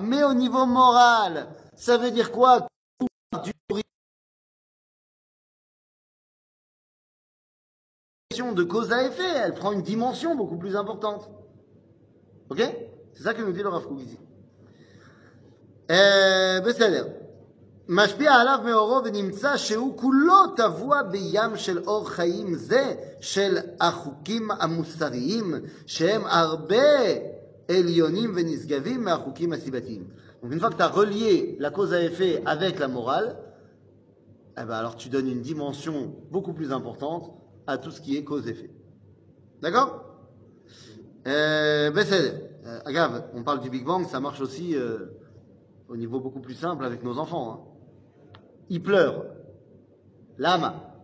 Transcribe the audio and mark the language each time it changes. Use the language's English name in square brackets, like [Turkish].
[French] Mais au niveau moral, ça veut dire quoi? De cause à effet, elle prend une dimension beaucoup plus importante. Ok? C'est ça que nous dit le Rav Kook ici. Bessader. [Hebrew] משפיע עליו מאורו ונמצא שהוא כולו טבוע בים של אור חיים זה של החוקים המוסריים שהם הרבה עליונים ונשגבים מהחוקים הסיבתיים. [French] Une fois que tu as relié la cause à effet avec la morale, eh ben alors tu donnes une dimension beaucoup plus importante à tout ce qui est cause effet. D'accord? Agave, on parle du Big Bang, ça marche aussi au niveau beaucoup plus simple avec nos enfants. Hein. Il pleure. Lama.